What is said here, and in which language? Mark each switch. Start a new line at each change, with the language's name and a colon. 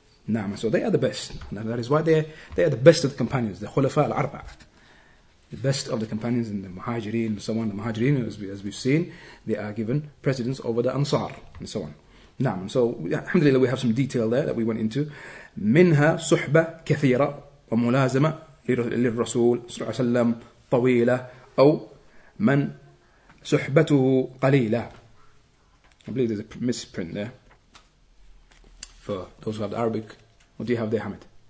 English: Naam, so they are the best. Now that is why they are the best of the companions, the khulafa al-arba'. The best of the companions in the Muhajirin and so on. The Muhajirin, as we've seen, they are given precedence over the Ansar and so on.
Arabic: نعم.
English: So
Arabic: الحمد لله
English: we have some detail there that we went into.
Arabic: منها صحبة كثيرة وملازمة للرسول صلى الله عليه وسلم طويلة أو من صحبته قليلة.
English: I believe there's a misprint there. For those who have the Arabic, what do you have there, Hamid?